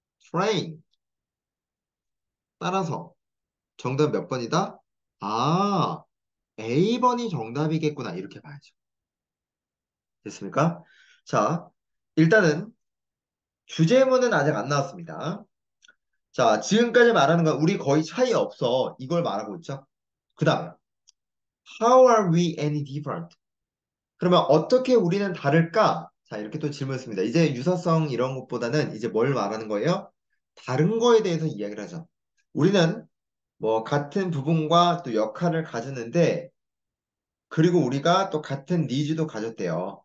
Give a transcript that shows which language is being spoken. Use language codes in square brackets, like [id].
[ko] Train. 따라서 정답 몇 번이다? 아, A번이 정답이겠구나. 이렇게 봐야죠. 됐습니까? 자, 일단은 주제문은 아직 안 나왔습니다. 자, 지금까지 말하는 건 우리 거의 차이 없어. 이걸 말하고 있죠? [en] 그 다음에, How are we any different? [ko] 그러면 어떻게 우리는 다를까? 자, 이렇게 또 질문했습니다. 이제 유사성 이런 것보다는 이제 뭘 말하는 거예요? 다른 거에 대해서 이야기를 하죠. 우리는 뭐 같은 부분과 또 역할을 가졌는데, 그리고 우리가 또 같은 니즈도 가졌대요.